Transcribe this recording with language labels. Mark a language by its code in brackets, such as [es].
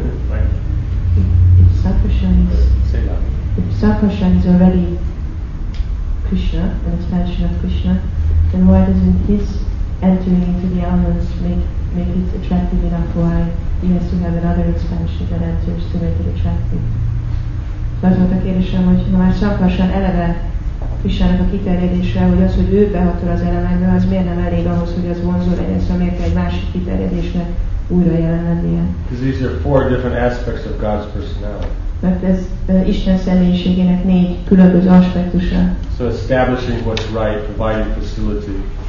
[en] Right. Upsakashan is already Krishna, an expansion of Krishna. Then why doesn't his entering into the elements make it attractive enough? Why he has to have another expansion that enters to make it attractive? [hu] Az volt a kérdésem, hogy ha már Sakashan eleve Krishnának a kiterjedésre, hogy az, hogy ő behatol az elemekbe, az miért nem elég ahhoz, hogy az vonzó legyen, szóval miért egy másik kiterjedésnek újra jelen lennie? [en] Because these are four different aspects of God's personality. [hu] Mert ez Isten személyiségének négy különböző aspektusa. [en] So establishing what's right, providing facility.